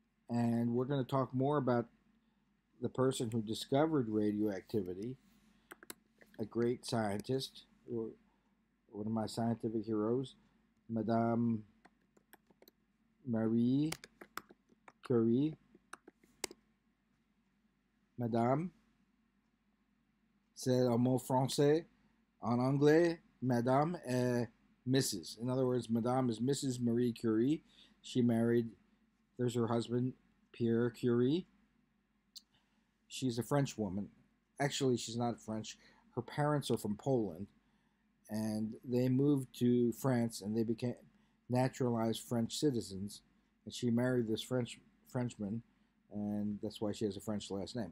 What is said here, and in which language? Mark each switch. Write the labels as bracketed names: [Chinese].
[English] And we're going to talk more about the person who discovered radioactivity, a great scientist, one of my scientific heroes, Madame Marie Curie. [French] Madame, c'est un mot français. En anglais, Madame est Mrs. [English] In other words, Madame is Mrs. Marie Curie. She married, there's her husband, Pierre Curie. She's a French woman. Actually, she's not French. Her parents are from Poland, and they moved to France, and they became naturalized French citizens, and she married this Frenchman, and that's why she has a French last name.